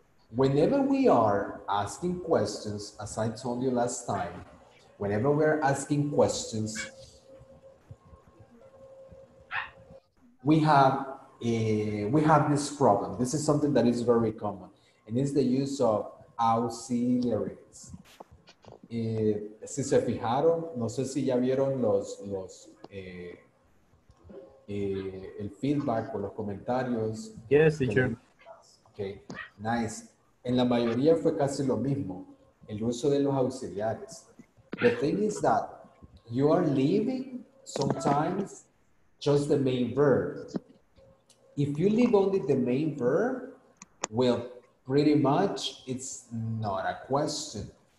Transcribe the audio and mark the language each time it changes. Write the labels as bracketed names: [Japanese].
[English] Whenever we are asking questions, as I told you last time, whenever we're asking questions, we have this problem. This is something that is very common, and it's the use of auxiliaries. [Spanish] Si se fijaron, no sé si ya vieron el feedback o los comentarios. [English] Yes, teacher. Okay, nice. [Spanish] En la mayoría fue casi lo mismo, el uso de los auxiliares. [English] The thing is that you are leaving sometimes just the main verb. If you leave only the main verb, well, pretty much it's not a question.